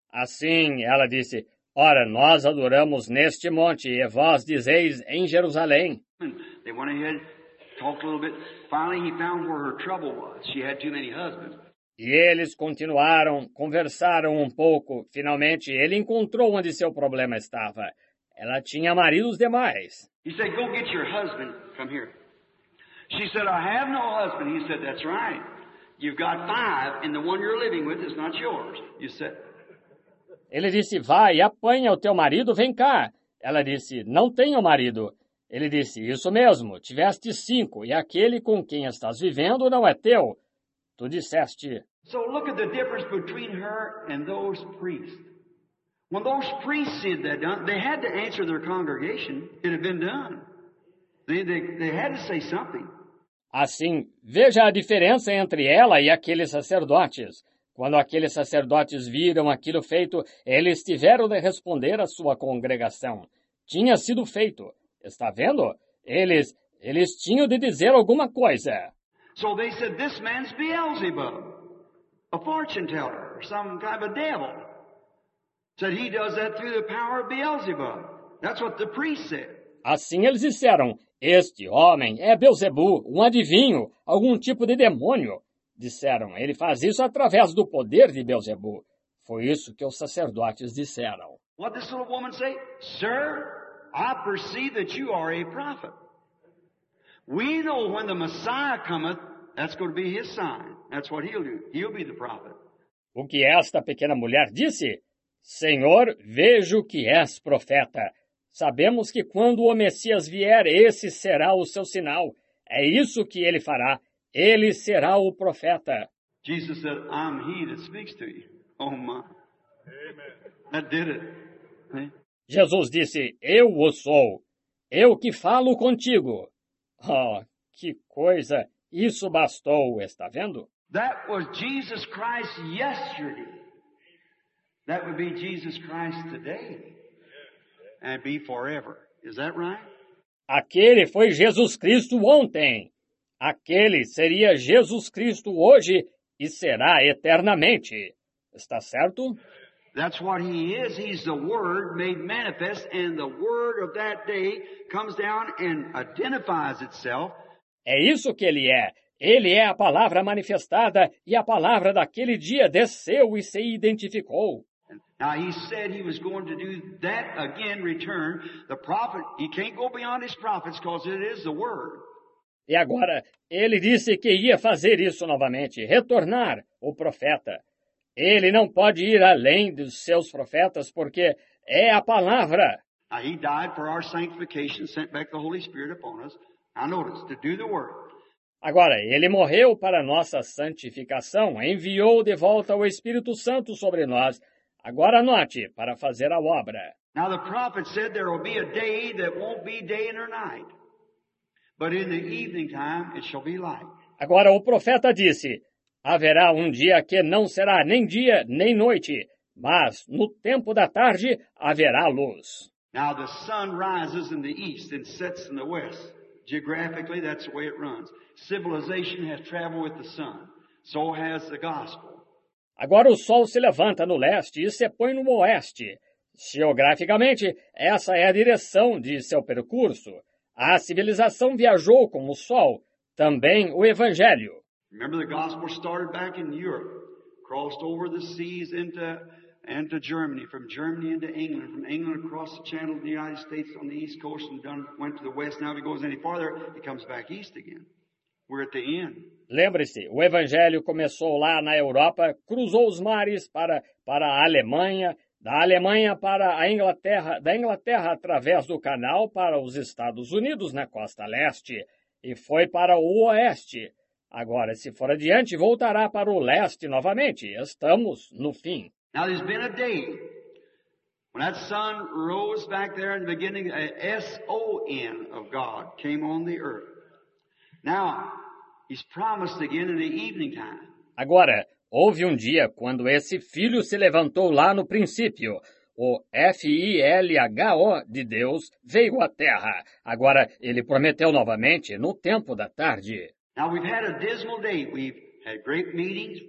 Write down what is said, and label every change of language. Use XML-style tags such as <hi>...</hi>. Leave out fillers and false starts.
<pt>Assim, ela disse, ora, nós adoramos neste monte e vós dizeis em Jerusalém.</pt> <en>They went ahead, talked a little bit. Finally, he found where her trouble was. She had too many husbands.</en> <pt>E eles continuaram, conversaram um pouco. Finalmente, ele encontrou onde seu problema estava. Ela tinha maridos demais.</pt> <en>He said, go get your husband. Come here. She said, I have no husband. He said, that's right. You've got five, and the one you're living with is not yours. You said...</en> <pt>Ele disse, vai, apanha o teu marido, vem cá. Ela disse, não tenho marido. Ele disse, isso mesmo, tiveste cinco, e aquele com quem estás vivendo não é teu. Tu disseste...</pt> <en>So look at the difference between her and those priests. When those priests said that, they had to answer their congregation. It had been done. They had to say something.</en> <pt>Assim, veja a diferença entre ela e aqueles sacerdotes. Quando aqueles sacerdotes viram aquilo feito, eles tiveram de responder à sua congregação. Tinha sido feito. Está vendo? Eles tinham de dizer alguma coisa.</pt> <en>So they said, this man's Beelzebub, a fortune teller, some kind of a devil. Said he does that through the power of Beelzebub. That's what the priest said.</en> <pt>Assim eles disseram, este homem é Beelzebu, um adivinho, algum tipo de demônio. Disseram, ele faz isso através do poder de Beelzebu. Foi isso que os sacerdotes disseram.</pt> <en>What did this little woman say? Sir, I perceive that you are a prophet. We know when the Messiah cometh, that's going to be his sign. That's what he'll do. He'll be the prophet.</en> <pt>O que esta pequena mulher disse? Senhor, vejo que és profeta. Sabemos que quando o Messias vier, esse será o seu sinal. É isso que ele fará. Ele será o profeta.</pt> <en>Jesus said, I'm he that speaks to you. Oh my. Amen. That did it.</en> <pt>Jesus disse, eu o sou. Eu que falo contigo. Oh, que coisa. Isso bastou, está vendo?</pt> <en>That was Jesus Christ yesterday. That would be Jesus Christ today. And be forever. Is that right?</en> <pt>Aquele foi Jesus Cristo ontem. Aquele seria Jesus Cristo hoje e será eternamente. Está certo?</pt> <en>That's what he is. He's the word made manifest and the word of that day comes down and identifies itself.</en> <pt>É isso que ele é. Ele é a palavra manifestada e a palavra daquele dia desceu e se identificou.</pt> <en>Now he said he was going to do that again, return. The prophet, he can't go beyond his prophets because it is the word.</en> <pt>E agora, ele disse que ia fazer isso novamente, retornar o profeta. Ele não pode ir além dos seus profetas, porque é a palavra.</pt> <en>He died for our sanctification, sent back the Holy Spirit upon us. Now notice, to do the work.</en> <pt>Agora, ele morreu para nossa santificação, enviou de volta o Espírito Santo sobre nós. Agora anote, para fazer a obra.</pt> <en>Now the prophet said there will be a day that won't be day nor night. But in the evening time, it shall be light.</en> <pt>Agora, o profeta disse, haverá um dia que não será nem dia nem noite, mas no tempo da tarde haverá luz.</pt> <en>Now the sun rises in the east and sets in the west. Geographically, that's the way it runs. Civilization has traveled with the sun. So has the gospel.</en> <pt>Agora o sol se levanta no leste e se põe no oeste. Geograficamente, essa é a direção de seu percurso. A civilização viajou com o sol, também o evangelho.</pt> <en>Remember the gospel started back in Europe, crossed over the seas into Germany, from Germany into England, from England across the channel to the United States on the east coast and done, went to the west. Now if it goes any farther, it comes back east again. We're at the end.</en> <pt>Lembre-se, o evangelho começou lá na Europa, cruzou os mares para a Alemanha, da Alemanha para a Inglaterra, da Inglaterra através do canal para os Estados Unidos na costa leste, e foi para o oeste. Agora, se for adiante, voltará para o leste novamente. Estamos no fim.</pt> <en>Now there's been a day when that sun rose back there in the beginning, a S-O-N of God came on the earth. Now, he's promised again in the evening time.</en> <pt>Agora, houve um dia quando esse filho se levantou lá no princípio. O F-I-L-H-O de Deus veio à terra. Agora, ele prometeu novamente no tempo da tarde.</pt> <en>Now, we've had a dismal day. We've had great meetings.</en>